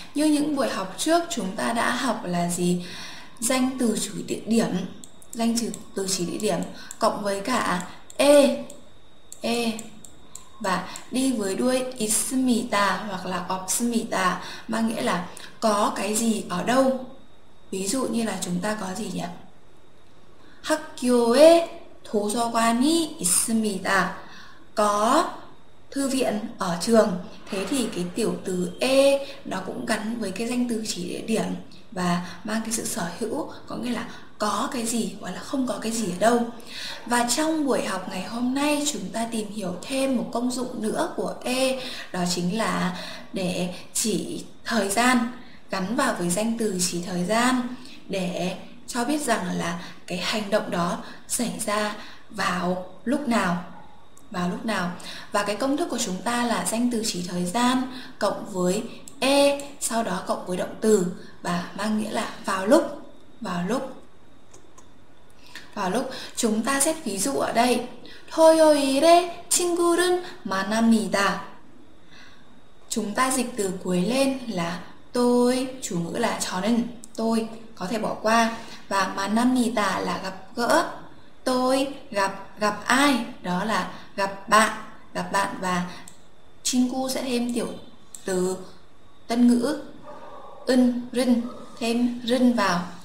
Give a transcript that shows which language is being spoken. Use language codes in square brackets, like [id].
[vi] Như những buổi học trước chúng ta đã học là gì? Danh từ chủ địa điểm, danh từ chỉ địa điểm cộng với cả E, E và đi với đuôi 있습니다 hoặc là 없습니다, mang nghĩa là có cái gì ở đâu. Ví dụ như là chúng ta có gì nhỉ? [ko] 학교에 도서관이 있습니다. [vi] Có thư viện ở trường. Thế thì cái tiểu từ E nó cũng gắn với cái danh từ chỉ địa điểm và mang cái sự sở hữu, có nghĩa là có cái gì hoặc là không có cái gì ở đâu. Và trong buổi học ngày hôm nay chúng ta tìm hiểu thêm một công dụng nữa của E, đó chính là để chỉ thời gian, gắn vào với danh từ chỉ thời gian để cho biết rằng là cái hành động đó xảy ra vào lúc nào. Vào lúc nào. Và cái công thức của chúng ta là danh từ chỉ thời gian cộng với E, sau đó cộng với động từ, và mang nghĩa là vào lúc. Vào lúc. Vào lúc. Chúng ta xét ví dụ ở đây. [ko] 토요일에 친구를 만납니다. [vi] Chúng ta dịch từ cuối lên là tôi, chủ ngữ là 저는, tôi, có thể bỏ qua. Và 만납니다 là gặp gỡ. Tôi gặp ai? Đó là gặp bạn. Và 친구 sẽ thêm tiểu từ tân ngữ 은, rin, thêm rin vào.